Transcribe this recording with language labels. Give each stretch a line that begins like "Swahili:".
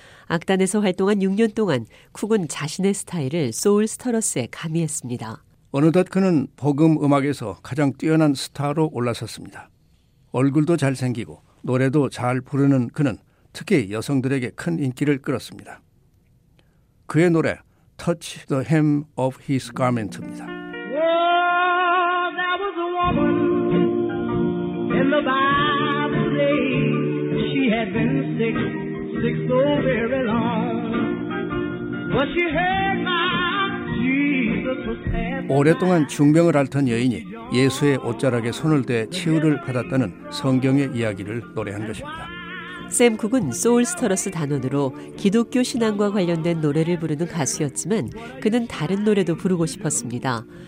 Korean: 악단에서 활동한 6년 동안 쿡은 자신의 스타일을 소울 스타러스에 가미했습니다. 어느덧 그는 복음 음악에서 가장 뛰어난 스타로 올라섰습니다. 얼굴도 잘생기고 노래도 잘 부르는 그는 특히 여성들에게 큰 인기를 끌었습니다. 그의 노래 Touch the Hem of His Garment입니다.
English: Yeah, there was a woman in the Bible day. She had been sick so very long. But she heard my Jesus was passing.
Korean: 오랫동안 중병을 앓던 여인이 예수의 옷자락에 손을 대 치유를 받았다는 성경의 이야기를 노래한 것입니다. 샘 쿡은 소울 스타러스 단원으로 기독교 신앙과 관련된 노래를 부르는 가수였지만 그는 다른 노래도 부르고 싶었습니다.